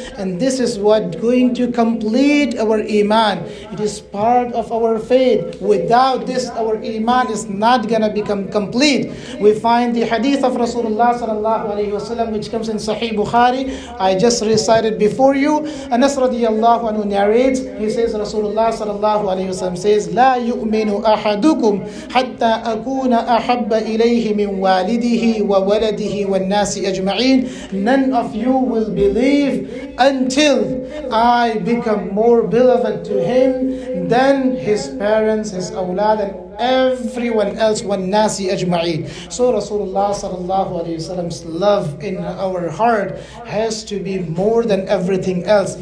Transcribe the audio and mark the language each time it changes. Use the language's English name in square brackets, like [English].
[English] And this is what going to complete our iman. It is part of our faith. Without this, our iman is not gonna become complete. We find the hadith of Rasulullah sallallahu alayhi wa sallam, which comes in Sahih Bukhari. I just recited before for you. Anas radiyallahu anhu narrates, he says, Rasulullah sallallahu alayhi wa sallam says, [Arabic] لا يؤمن أحدكم حتى أكون أحب إليه من والده وولده والناس أجمعين. [English] None of you will believe until I become more beloved to him than his parents, his awlad, and everyone else, [Arabic] والناس أجمعين. [English] So Rasulullah sallallahu alayhi wa sallam's love in our heart has to be more than everything else.